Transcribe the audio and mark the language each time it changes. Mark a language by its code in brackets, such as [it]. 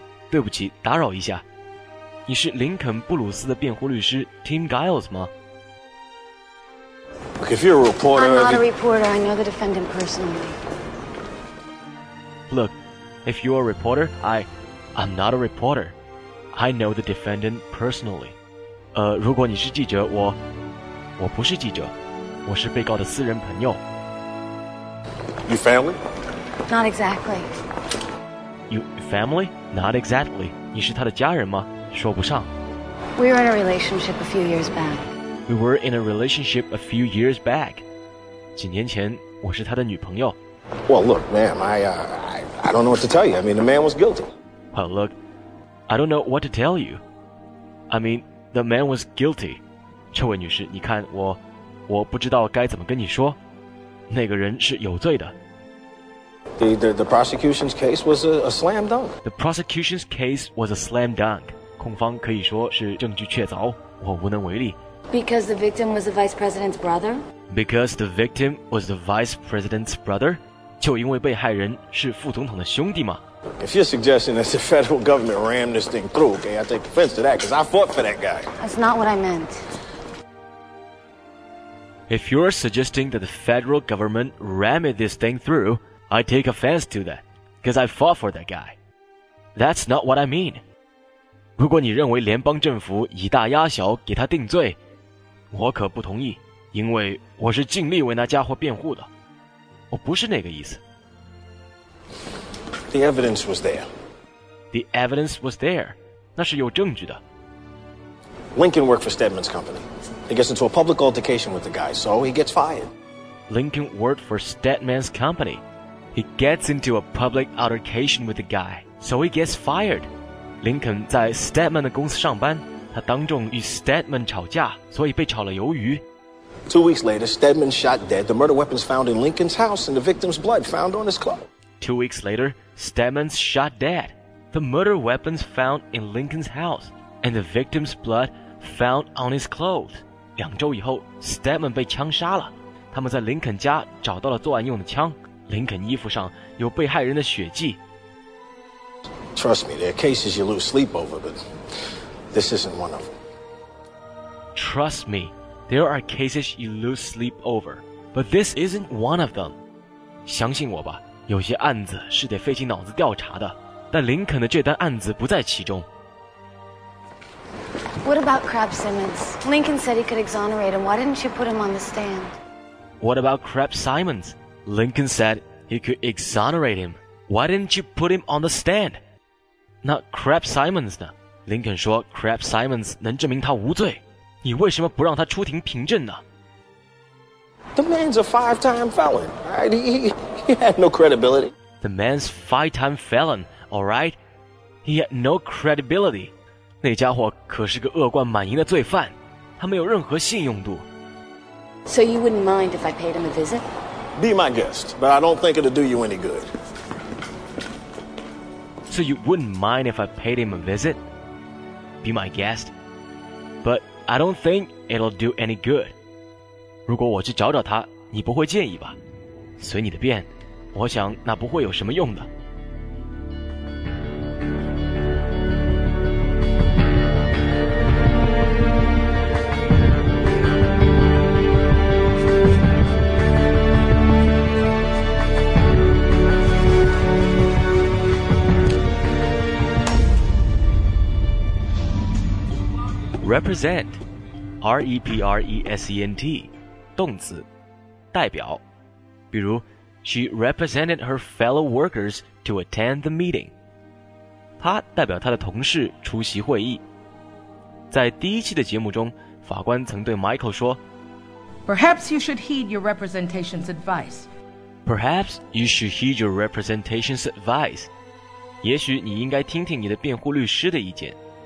[zh] 对不起，打扰一下，你是林肯布鲁斯的辩护律师 Tim Giles 吗？ [en] Look, if you're a reporter, I'm not a reporter. I know the defendant personally. Look, if you're a reporter, I'm not a reporter. I know the defendant personally. [zh] 如果你是记者，我不是记者，我是被告的私人朋友。 [en] You family? Not exactly. You family? Not exactly. [zh] 你是他的家人吗？说不上。 [en] We were in a relationship a few years back. We were in a relationship a few years back. [zh] 几年前，我是他的女朋友。 [en] Well, look, ma'am, I don't know what to tell you. I mean, the man was guilty. Well, look, I don't know what to tell you. I mean,The man was guilty. [zh] 这位女士，你看我不知道该怎么跟你说。那个人是有罪的。 [en] The prosecution's case was a slam dunk. The prosecution's case was a slam dunk. [zh] 控方可以说是证据确凿，我无能为力。 [en] Because the victim was the vice president's brother? Because the victim was the vice president's brother? [zh] 就因为被害人是副总统的兄弟吗？ [en] If you're suggesting that the federal government rammed this thing through, okay, I take offense to that because I fought for that guy. That's not what I meant. If you're suggesting that the federal government rammed this thing through, I take offense to that because I fought for that guy. That's not what I mean. [zh] 如果你认为联邦政府以大压小给他定罪，我可不同意，因为我是尽力为那家伙辩护的。我不是那个意思。 [en] The evidence was there. The evidence was there. [zh] 那是有证据的。 [en] Lincoln worked for Stedman's company. He gets into a public altercation with the guy, so he gets fired. Lincoln worked for Stedman's company. He gets into a public altercation with the guy, so he gets fired. [zh] Lincoln 在 Stedman 的公司上班，他当众与 Stedman 吵架，所以被炒了鱿鱼。 [en] 2 weeks later, Stedman shot dead, the murder weapons found in Lincoln's house, and the victim's blood found on his clothes. 2 weeks later, Stedman's shot dead. The murder weapons found in Lincoln's house, and the victim's blood found on his clothes. [zh] 两周以后 Stedman 被枪杀了，他们在林肯家找到了作案用的枪，林肯衣服上有被害人的血迹。 [en] Trust me, there are cases you lose sleep over, but this isn't one of them. Trust me, there are cases you lose sleep over, but this isn't one of them. [zh] 相信我吧，有些案子是得费尽脑子调查的，但林肯的这单案子不在其中。 [en] What about Crab Simmons? Lincoln said he could exonerate him. Why didn't you put him on the stand? What about Crab Simmons? Lincoln said he could exonerate him. Why didn't you put him on the stand? [zh] 那 Crab Simmons 呢？林肯说 Crab Simmons 能证明他无罪，你为什么不让他出庭凭证呢？ [en] The man's a five-time felon. Right? He had no credibility. The man's five-time felon. All right. He had no credibility. [zh] 那家伙可是个恶贯满盈的罪犯，他没有任何信用度。 [en] So you wouldn't mind if I paid him a visit? Be my guest, but I don't think it'll do you any good. So you wouldn't mind if I paid him a visit? Be my guest, but I don't think it'll do any good. [zh] 如果我去找找他，你不会介意吧？随你的便，我想那不会有什么用的。 [en] Represent, R-E-P-R-E-S-E-N-T, [zh] 动词，代表。 [en] 比如 ，She represented her fellow workers to attend the meeting. [zh] 她代表她的同事出席会议。在第一期的节目中，法官曾对 Michael 说 [en] ：“Perhaps you should heed your representation's advice. Perhaps you should heed your representation's advice. [zh] 也许你应该听听你的辩护律师的意见。”